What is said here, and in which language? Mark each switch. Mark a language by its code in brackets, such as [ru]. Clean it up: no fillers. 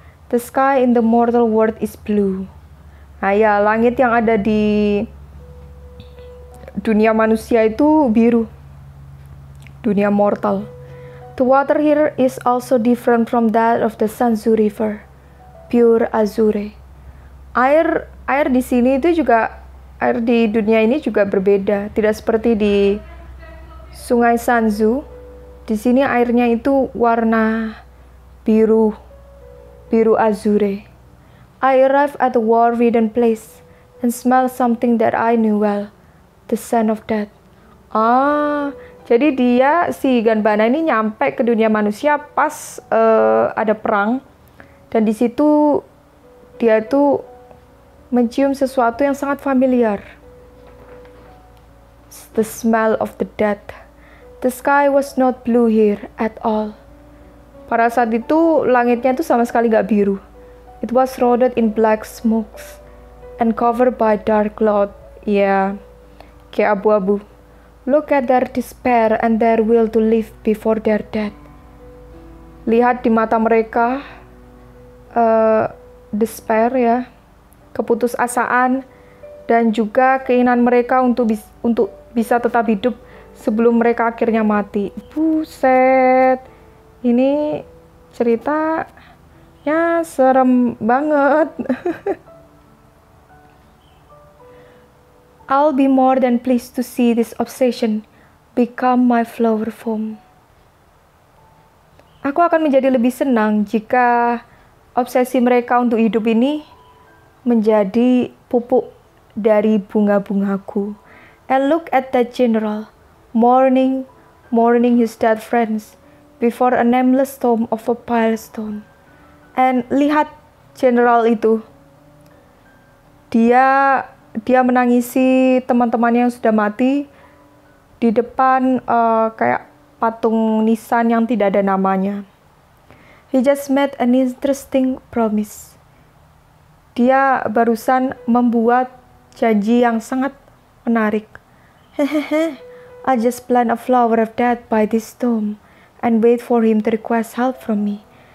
[en] The sky in the mortal world is blue. [id] Nah ya, langit yang ada di dunia manusia itu biru. Dunia mortal. [en] The water here is also different from that of the Sanzu River. Pure azure. [id] Air di sini itu juga air di dunia ini juga berbeda, tidak seperti di Sungai Sanzu. Di sini airnya itu warna biru, biru azure. [en] I arrive at the war-ridden place and smell something that I knew well, the scent of death. [id] Ah, jadi dia si Ganbana ini nyampe ke dunia manusia pas ada perang dan di situ dia tuh mencium sesuatu yang sangat familiar. [en] The smell of the dead. The sky was not blue here at all. [id] Pada saat itu, langitnya itu sama sekali gak biru. [en] It was shrouded in black smokes and covered by dark cloud. [id] Kayak abu-abu. [en] Look at their despair and their will to live before their death. [id] Lihat di mata mereka, despair ya. Keputusasaan dan juga keinginan mereka untuk bisa tetap hidup sebelum mereka akhirnya mati. Buset, ini ceritanya serem banget. [en] I'll be more than pleased to see this obsession become my flower form. [id] Aku akan menjadi lebih senang jika obsesi mereka untuk hidup ini menjadi pupuk dari bunga-bungaku. [en] And look at that general, mourning his dead friends before a nameless tomb of a pile stone. [id] And lihat general itu. Dia menangisi teman-temannya yang sudah mati di depan kayak patung nisan yang tidak ada namanya. [en] He just made an interesting promise. [id] dia barusan membuat janji yang sangat menarik. [en] I just plant a flower of death by this tomb and wait for him to request help from me.